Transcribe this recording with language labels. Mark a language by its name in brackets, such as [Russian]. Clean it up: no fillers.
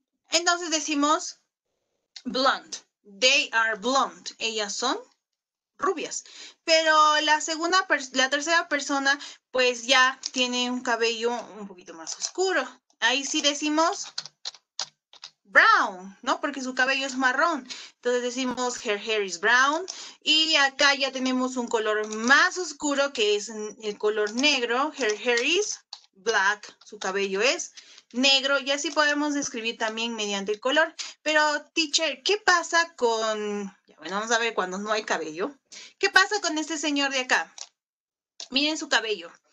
[Spanish] Entonces decimos blonde. [English] They are blonde. [Spanish] Ellas son rubias. Pero la tercera persona, pues ya tiene un cabello un poquito más oscuro. Ahí sí decimos brown, ¿no? Porque su cabello es marrón. Entonces decimos [English] her hair is brown. [Spanish] Y acá ya tenemos un color más oscuro que es el color negro. [English] Her hair is black. [Spanish] Su cabello es negro. Y así podemos describir también mediante el color. Pero, teacher, ¿qué pasa con... Bueno, vamos a ver cuando no hay cabello. ¿Qué pasa con este señor de acá? Miren su cabello.